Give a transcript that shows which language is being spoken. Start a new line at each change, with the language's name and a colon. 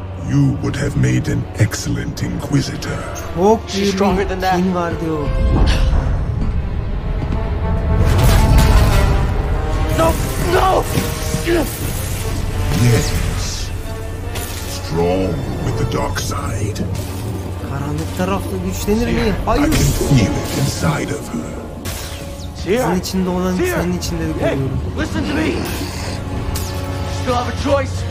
English: You would have made an excellent inquisitor.
Turkish: Çok iyi bir kin var diyor.
English: No, no. Yes. Strong with the dark side.
Turkish: Karanlık tarafta güçlenir mi? Hayır.
English: I can feel it inside of her.
Turkish: Senin içinde olan Seer. Senin içinde de görüyorum.
English: Hey, listen to me. Still have a choice.